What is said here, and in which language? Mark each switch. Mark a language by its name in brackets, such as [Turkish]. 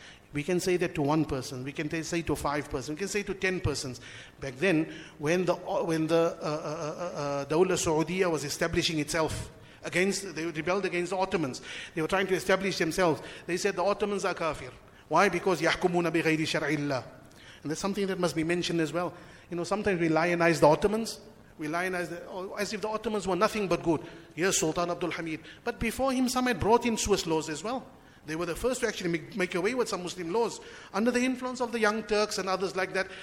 [English] We can say that to one person. We can say to five persons. We can say to 10 persons. Back then, when the Dawla Saudiya was establishing itself, they rebelled against the Ottomans. They were trying to establish themselves. They said, the Ottomans are kafir. Why? [Arabic] Because يَحْكُمُونَ بِغَيْرِ شَرْعِ اللَّهِ. [English] And there's something that must be mentioned as well. You know, sometimes we lionize the Ottomans. We lionize as if the Ottomans were nothing but good. Yes, Sultan Abdul Hamid. But before him, some had brought in Swiss laws as well. They were the first to actually make away with some Muslim laws under the influence of the Young Turks and others like that.